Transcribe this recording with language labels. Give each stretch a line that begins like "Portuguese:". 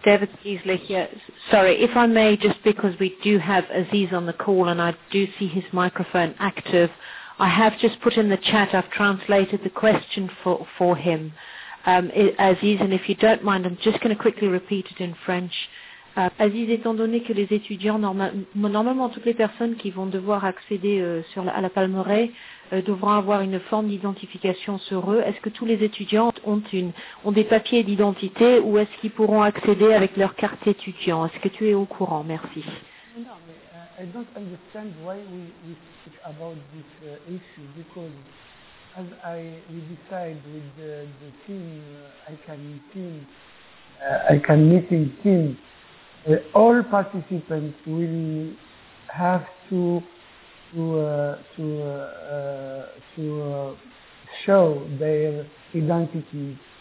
English: Dev Geisler here. Sorry, if I may, just because we do have Aziz on the call and I do see his microphone active, I have just put in the chat, I've translated the question for him. Aziz, and if you don't mind, I'm just going to quickly repeat it in French.
French: Aziz, étant donné que les étudiants, normalement toutes les personnes qui vont devoir accéder à la palmeraie devront avoir une forme d'identification sur eux, est-ce que tous les étudiants ont des papiers d'identité ou est-ce qu'ils pourront accéder avec leur carte étudiant? Est-ce que tu es au courant? Merci.
English: I don't understand why we speak about this issue, because as we decide with the team, I can meet in team, all participants will have to show their identity.